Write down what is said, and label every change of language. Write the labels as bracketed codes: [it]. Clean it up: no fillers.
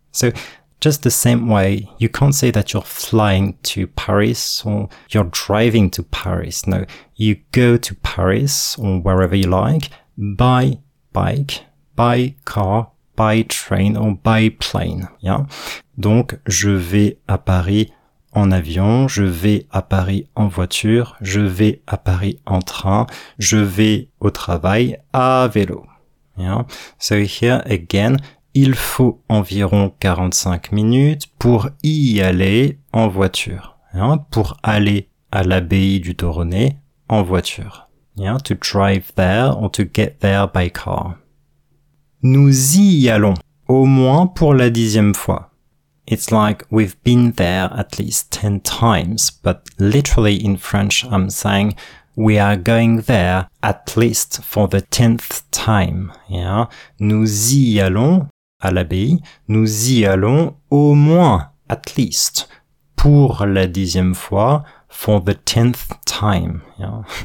[en] So just the same way, you can't say that you're flying to Paris or you're driving to Paris. No, you go to Paris or wherever you like by bike, by car, by train or by plane. Yeah. [fr] Donc, je vais à Paris en avion, je vais à Paris en voiture, je vais à Paris en train, je vais au travail à vélo. Yeah. [en] So here again, [fr] il faut environ 45 minutes pour y aller en voiture. Hein, pour aller à l'abbaye du Touronnet en voiture. [en] Yeah, to drive there or to get there by car. [fr] Nous y allons au moins pour la dixième fois. [en] It's like we've been there at least 10 times, but literally in French I'm saying we are going there at least for the 10th time. [fr] Yeah, nous y allons à l'abbaye, nous y allons au moins, [en] at least, [fr] pour la dixième fois, [en] for the 10th time. [fr] Yeah.